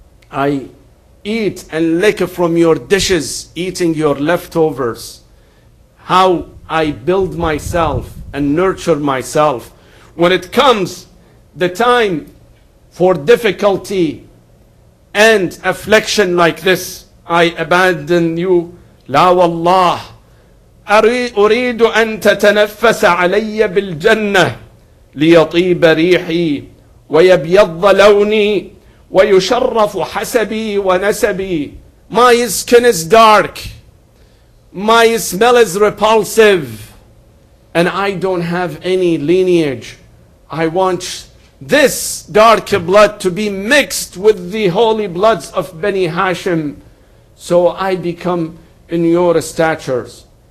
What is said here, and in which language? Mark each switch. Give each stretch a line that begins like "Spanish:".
English: I eat and lick from your dishes, eating your leftovers. How I build myself and nurture myself. When it comes the time for difficulty and affliction like this, I abandon you.
Arabic: لا والله أريد أن تتنفس علي بالجنة ليطيب ريحي ويبيض لوني ويشرف حسبي ونسبي.
English: My skin is dark, my smell is repulsive, and I don't have any lineage. I want this dark blood to be mixed with the holy bloods of Bani Hashim, so I become in your statures.